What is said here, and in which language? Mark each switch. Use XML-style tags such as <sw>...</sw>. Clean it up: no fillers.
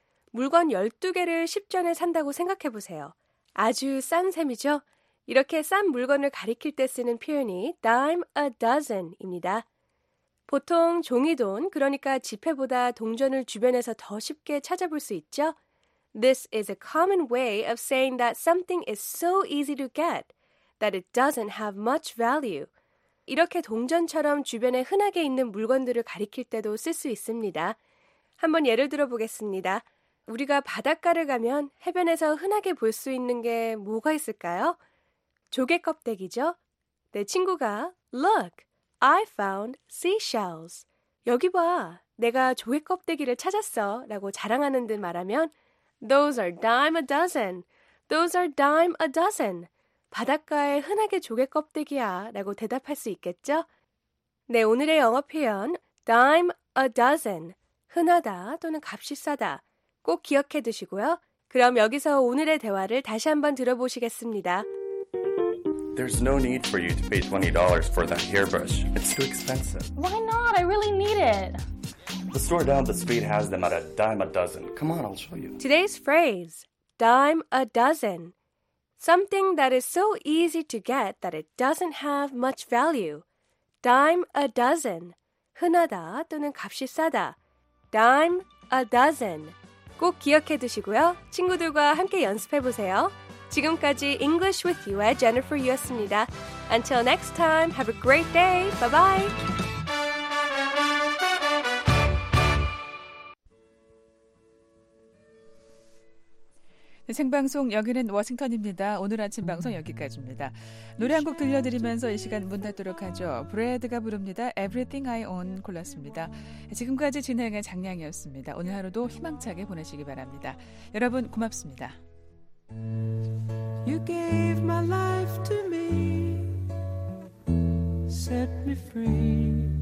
<ko>물건 12개를 10전에 산다고 생각해 보세요. 아주 싼 셈이죠? 이렇게 싼 물건을 가리킬 때 쓰는 표현이 dime a dozen입니다. 보통 종이돈, 그러니까 지폐보다 동전을 주변에서 더 쉽게 찾아볼 수 있죠?</ko> <en>This is a common way of saying that something is so easy to get that it doesn't have much value.</en> <ko>이렇게 동전처럼 주변에 흔하게 있는 물건들을 가리킬 때도 쓸 수 있습니다. 한번 예를 들어보겠습니다. 우리가 바닷가를 가면 해변에서 흔하게 볼 수 있는 게 뭐가 있을까요? 조개껍데기죠? 내 친구가</ko> <en>Look, I found seashells.</en> <ko>여기 봐, 내가 조개껍데기를 찾았어 라고 자랑하는 듯 말하면</ko> <en>Those are dime a dozen. Those are dime a dozen.</en> <ko>바닷가에 흔하게 조개껍데기야 라고 대답할 수 있겠죠? 네, 오늘의 영어 표현 dime a dozen. 흔하다 또는 값이 싸다. 꼭 기억해 두시고요. 그럼 여기서 오늘의 대화를 다시 한번 들어보시겠습니다.</ko> <en>There's no need for you to pay $20 for that hairbrush. It's too expensive. Why not? I really need it. The store down the street has them at a dime a dozen. Come on, I'll show you. Today's phrase, dime a dozen. Something that is so easy to get that it doesn't have much value. Dime a dozen.</en> <ko>흔하다 또는 값이 싸다.</ko> <en>Dime a dozen.</en> <ko>꼭 기억해 두시고요. 친구들과 함께 연습해 보세요. 지금까지</ko> <en>English with You의 Jennifer Yu였습니다. Until next time, have a great day. Bye-bye.</en> <ko>The 생방송 여기는 워싱턴입니다. 오늘 아침 방송 여기까지입니다. 노래 한 곡 들려드리면서 이 시간 문 닫도록 하죠. 브래드가 부릅니다. Everything I Own 골랐습니다. 지금까지 진행의 장량이었습니다. 오늘 하루도 희망차게 보내시기 바랍니다. 여러분 고맙습니다.</ko> <en>You gave my life to me, set me free.</en>